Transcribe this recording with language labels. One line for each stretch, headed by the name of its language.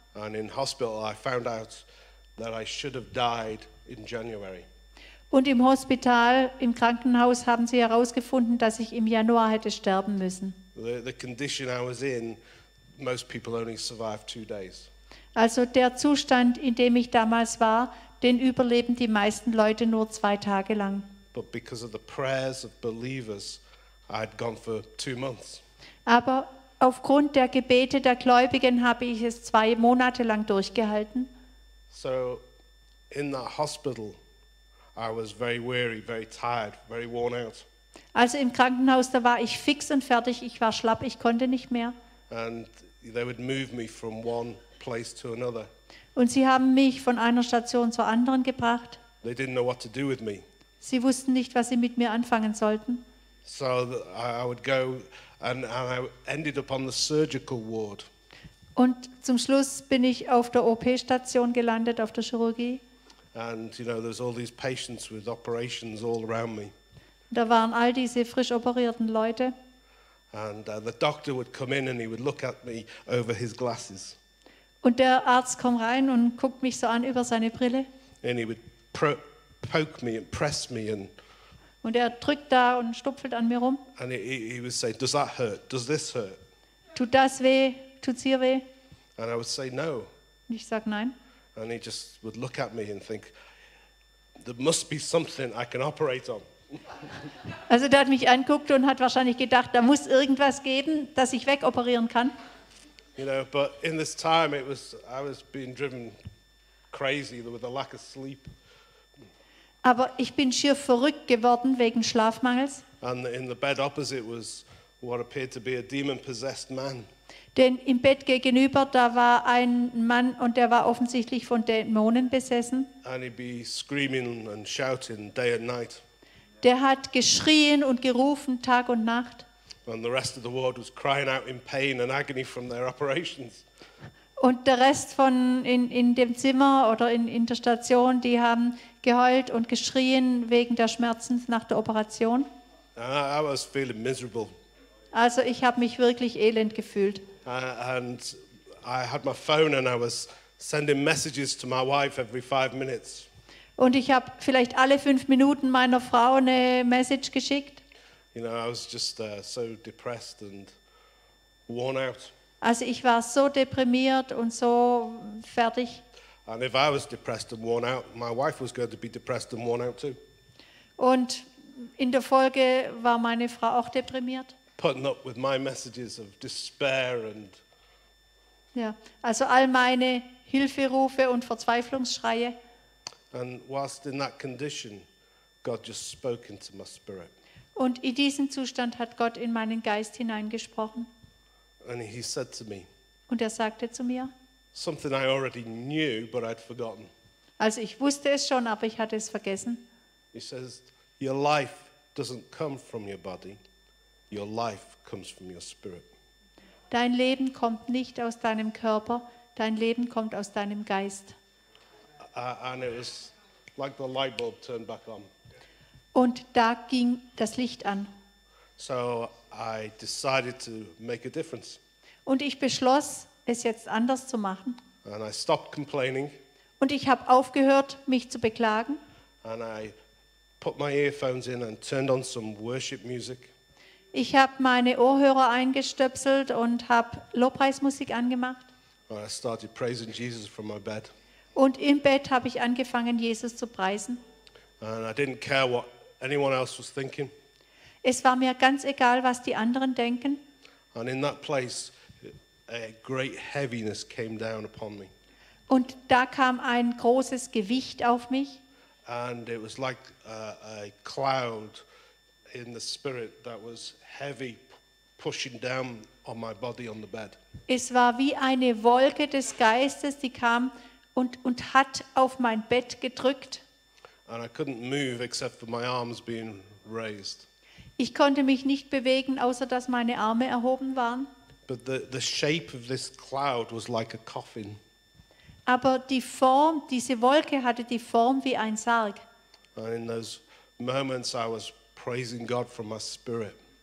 English: And in hospital I found out that I should have died in January.
German: Und im Hospital, im Krankenhaus, haben sie herausgefunden, dass ich im Januar hätte sterben müssen.
English: The condition I was in, most people only survive 2 days.
German: Also der Zustand, in dem ich damals war, den überleben die meisten Leute nur 2 Tage lang.
English: But because of the prayers of believers, I'd gone for 2 months.
German: Aber aufgrund der Gebete der Gläubigen habe ich es 2 Monate lang durchgehalten.
English: So in that hospital, I was very weary, very tired, very worn out.
German: Also im Krankenhaus, da war ich fix und fertig, ich war schlapp, ich konnte nicht mehr.
English: And they would move me from one place to another.
German: Und sie haben mich von einer Station zur anderen gebracht.
English: They didn't know what to do with me.
German: Sie wussten nicht, was sie mit mir anfangen sollten.
English: So I would go and I ended up on the surgical ward.
German: Und zum Schluss bin ich auf der OP-Station gelandet, auf der Chirurgie.
English: And you know, there's all these patients with operations all around me.
German: Da waren all diese frisch operierten Leute.
English: And the doctor would come in and he would look at me over his glasses.
German: Und der Arzt kommt rein und guckt mich so an über seine Brille.
English: And he would poke me and press me and.
German: Und er drückt da und stupfelt an mir rum.
English: And he would say, "Does that hurt? Does this hurt?"
German: Tut das weh? Tut's hier weh?
English: And I would say no.
German: Und ich sag nein.
English: And he just would look at me and think, there must be something I can operate on.
German: Also der hat mich anguckt und hat wahrscheinlich gedacht, da muss irgendwas geben, das ich wegoperieren kann.
English: You know, but in this time it was, I was being driven crazy with a lack of sleep.
German: Aber ich bin schier verrückt geworden wegen Schlafmangels.
English: And in the bed opposite was what appeared to be a demon-possessed man.
German: Denn im Bett gegenüber, da war ein Mann und der war offensichtlich von Dämonen besessen.
English: And he'd be screaming and shouting day and night.
German: Der hat geschrien und gerufen Tag und Nacht.
English: And the rest of the world was crying out in pain and agony from their operations.
German: Und der Rest von in dem Zimmer oder in der Station, die haben geheult und geschrien wegen der Schmerzen nach der Operation.
English: I was feeling miserable.
German: Also ich habe mich wirklich elend gefühlt.
English: And I had my phone and I was sending messages to my wife every 5 minutes.
German: Und ich habe vielleicht alle 5 Minuten meiner Frau eine Message geschickt.
English: You know, I was just so depressed and worn out.
German: Also ich war so deprimiert und so fertig.
English: And if I was depressed and worn out, my wife was going to be depressed and worn out too.
German: Und in der Folge war meine Frau auch deprimiert.
English: Putting up with my messages of despair and.
German: Ja, also all meine Hilferufe und Verzweiflungsschreie.
English: And whilst in that condition, God just spoke into my spirit.
German: Und in diesem Zustand hat Gott in meinen Geist hineingesprochen.
English: And he said to me.
German: Und er sagte zu mir.
English: Something I already knew, but I'd forgotten.
German: Also ich wusste es schon, aber ich hatte es vergessen.
English: He says, "Your life doesn't come from your body. Your life comes from your spirit."
German: Dein Leben kommt nicht aus deinem Körper, dein Leben kommt aus deinem Geist.
English: And it was like the light bulb turned back on.
German: Und da ging das Licht an.
English: So I decided to make a difference.
German: Und ich beschloss, es jetzt anders zu machen.
English: And I stopped complaining.
German: Und ich habe aufgehört, mich zu beklagen.
English: And I put my earphones in and turned on some worship music.
German: Ich habe meine Ohrhörer eingestöpselt und habe Lobpreismusik angemacht.
English: I started praising Jesus from my bed.
German: Und im Bett habe ich angefangen, Jesus zu preisen.
English: And I didn't care what anyone else was thinking.
German: Es war mir ganz egal, was die anderen denken.
English: And in that place, a great heaviness came down upon me.
German: Und da kam ein großes Gewicht auf mich.
English: And it was like a cloud in the spirit that was heavy pushing down on my body on the bed.
German: Es war wie eine Wolke des Geistes, die kam und hat auf mein Bett gedrückt.
English: And I couldn't move except for my arms being raised.
German: Ich konnte mich nicht bewegen, außer dass meine Arme erhoben waren.
English: But the shape of this cloud was like a coffin.
German: Aber die Form, diese Wolke hatte die Form wie ein Sarg.
English: And in those moments I was praising God from my spirit.